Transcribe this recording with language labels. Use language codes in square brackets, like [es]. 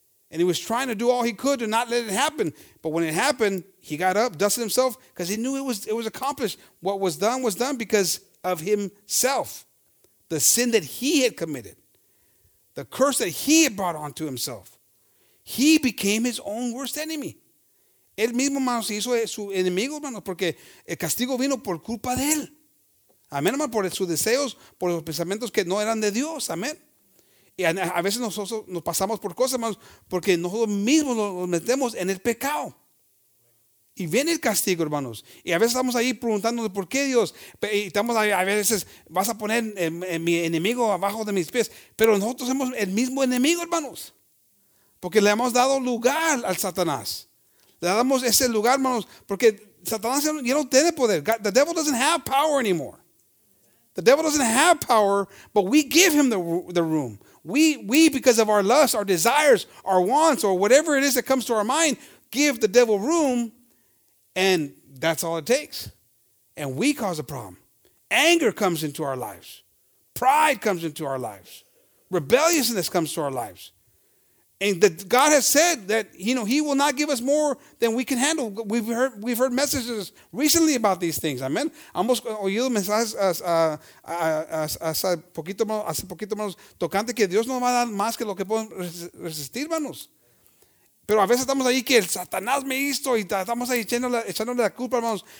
[en] And he was trying to do all he could to not let it happen. But when it happened, he got up, dusted himself, because he knew it was accomplished. What was done because of himself. The sin that he had committed. The curse that he had brought onto himself. He became his own worst enemy. [es] Él mismo, hermano, se hizo su enemigo, hermano, porque el castigo vino por culpa de él. Amén, hermano, por sus deseos, por los pensamientos que no eran de Dios. Amén. Y a veces nosotros nos pasamos por cosas, hermano, porque nosotros mismos nos metemos en el pecado. Y viene el castigo, hermanos. Y a veces estamos ahí preguntándonos, ¿por qué, Dios? Y estamos ahí, a veces, vas a poner en mi enemigo abajo de mis pies. Pero nosotros somos el mismo enemigo, hermanos. Porque le hemos dado lugar al Satanás. Le damos ese lugar, hermanos, porque Satanás ya no tiene poder. [en] God, the devil doesn't have power anymore. The devil doesn't have power, but we give him the room. We, because of our lusts, our desires, our wants, or whatever it is that comes to our mind, give the devil room, and that's all it takes. And we cause a problem. Anger comes into our lives. Pride comes into our lives. Rebelliousness comes to our lives. And that God has said that, you know, he will not give us more than we can handle. We've heard messages recently about these things. Amen. [es] Hemos oído mensajes hace poquito, hermanos, tocante que Dios no va a dar más que lo que podemos resistir, hermanos. Pero a veces estamos ahí que el Satanás me hizo y estamos ahí echándole la culpa, hermanos.